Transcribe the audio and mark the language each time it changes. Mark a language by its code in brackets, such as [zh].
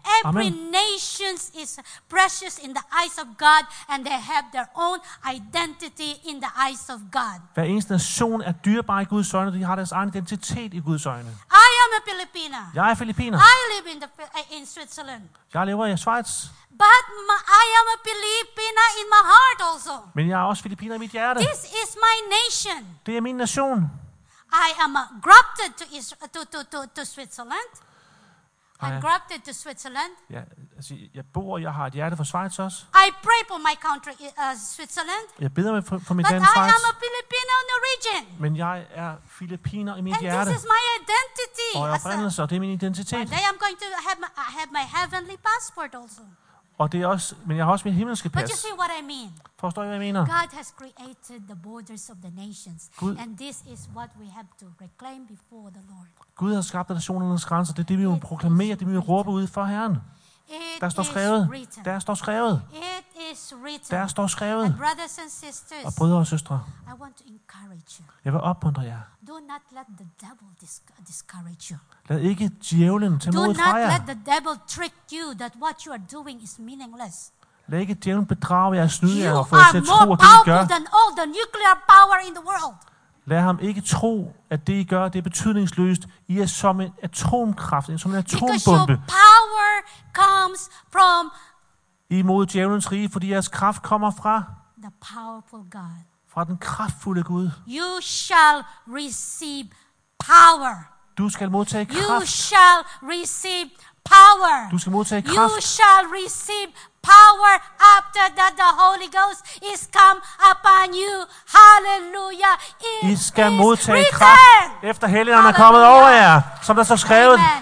[en] Every nation is precious in the eyes of God, and they have their own identity in the eyes of God. [da] Hver eneste nation er dyrebar i Guds øjne, og de har deres egen identitet i Guds øjne. [en] I am a Filipina. [da] Jeg er filipiner. [en] I live in Switzerland. [da] Jeg lever i Schweiz. [en] But I am a Filipina in my heart also. [da] Men jeg er også filipiner i mit hjerte. [en] This is my nation. [da] Det er min nation. [en] I am grafted to Switzerland. I'm grafted to Switzerland. [da] Ja, altså, jeg bor, jeg har et hjerte for Schweiz også. [en] I pray for my country, Switzerland. [da] Jeg beder mig for mit land Schweiz. [en] But I am a Filipina in origin. [da] Men jeg er filipiner i mit [en] and [da] hjerte. [en] This is my identity. [da] Og jeg brænder sig, og det er min identitet. [en] And I'm going to have my heavenly passport also. [da] Og det er også, men jeg har også min himmelske pas. [en] But you see what I mean? [da] Forstår I, hvad jeg mener? [en] God has created the borders of the nations, [da] Gud, [en] and this is what we have to reclaim before the Lord. [da] Gud har skabt nationernes grænser. Det er det, vi må proklamere, det vi må råbe ud for Herren. Der står skrevet. Der står skrevet. [en] It is written. [da] Der står skrevet. [en] And brothers and sisters, [da] og brødre og søstre. [en] I want to encourage you. [da] Jeg vil opmuntre jer. [en] Do not let the devil discourage you. [da] Lad ikke djævlen tage mod fra jer. [en] Do not let the devil trick you that what you are doing is meaningless. [da] Lad ikke djævlen bedrage jer og snyde jer og få jer til at tro, at det I gør. [en] Than all the nuclear power in the world. [da] Lad ham ikke tro, at det I gør, det er betydningsløst. I er som en atomkraft, som en atombombe. [en] Because your power comes from [da] I mod djævlens rige, fordi jeres kraft kommer fra [en] the powerful God. [da] Fra den kraftfulde Gud. [en] You shall receive power. [da] Du skal modtage kraft. [en] You shall receive power. [da] Du skal modtage kraft. [en] You shall receive power after that the Holy Ghost is come upon you. Hallelujah. [da] I skal modtage kraft efter Helligånden er kommet over jer, som der står skrevet.